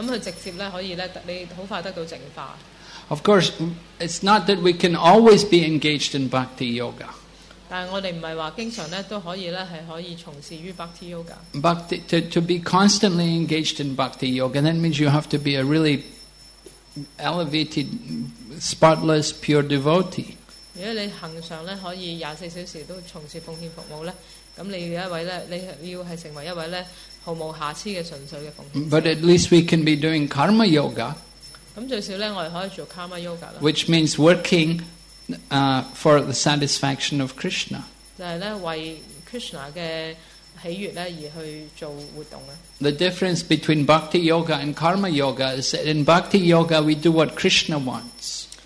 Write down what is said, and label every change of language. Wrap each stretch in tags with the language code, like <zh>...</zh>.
<yue>咁佢直接咧可以咧，你好快得到淨化。</yue> <en>Of course, it's not that we can always be engaged in bhakti yoga. To be constantly engaged in bhakti yoga, that means you have to be a really elevated, spotless, pure devotee.</en> <yue>如果你恒常咧可以24小時都從事奉獻服務咧，咁你要一位咧，你要係成為一位咧毫無瑕疵嘅純粹嘅奉獻。</yue> <en>But at least we can be doing karma yoga.</en> <yue>咁最少咧，我哋可以做 karma yoga 啦。</yue> <en>Which means working. For the satisfaction of Krishna.</en> <yue>就係咧為 Krishna 嘅喜悅咧而去做活動啊。</yue> <en>The difference between bhakti yoga and karma yoga is that in bhakti yoga we do what Krishna wants.</en>